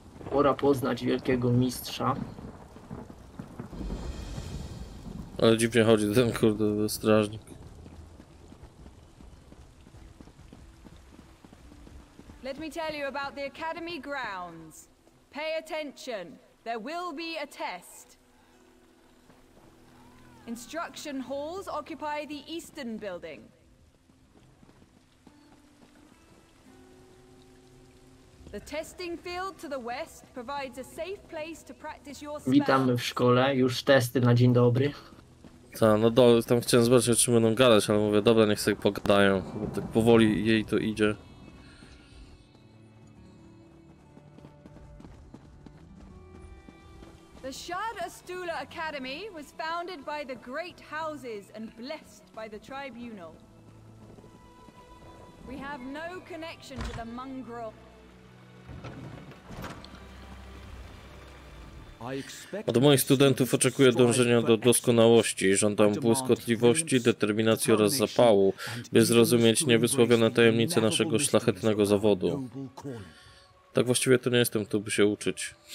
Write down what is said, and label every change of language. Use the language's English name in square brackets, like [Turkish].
[Polish] pora poznać wielkiego mistrza. Ale dziwnie chodzi ten kurde strażnik. [English] Let me tell you about the academy grounds. Pay attention. There will be a test. Instruction halls occupy the eastern building. The testing field to the west provides a safe place to practice your spells. [Polish] Witamy w szkole. Już testy na dzień dobry. Ta, no tam chciałem zobaczyć, czy będą gadać, ale mówię, dobra, niech sobie pogadają, bo tak powoli jej to idzie. [English] The Shard Astula Academy was founded by the great houses and blessed by the tribunal. We have no connection to the mongrel. [Polish] Od moich studentów oczekuję dążenia do doskonałości. Żądam błyskotliwości, determinacji oraz zapału, by zrozumieć niewysłowione tajemnice naszego szlachetnego zawodu. Tak właściwie to nie jestem tu, by się uczyć.